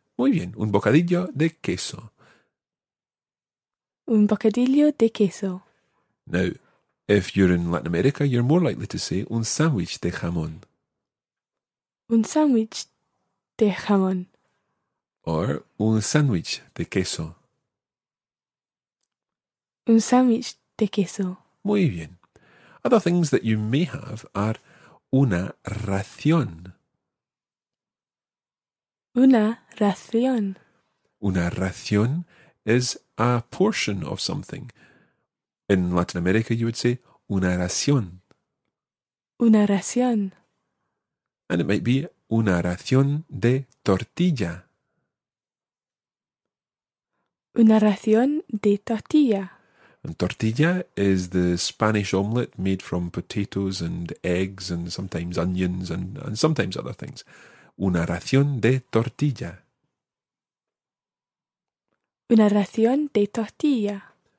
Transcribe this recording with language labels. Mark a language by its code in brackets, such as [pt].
[es] Muy bien, un bocadillo de queso. Un bocadillo de queso. [en] Now, if you're in Latin America, you're more likely to say [es] un sandwich de jamón. Un sandwich de jamón. Or un sandwich de queso. Un sandwich de queso. Muy bien. [en] Other things that you may have are [es] una ración. Una ración. Una ración [en] is a portion of something. In Latin America, you would say [es] una ración. Una ración. [en] And it might be [es] una ración de tortilla. Una ración de tortilla. [en] And tortilla is the Spanish omelette made from potatoes and eggs and sometimes onions and sometimes other things. [es] Una ración de tortilla. Una ración de tortilla.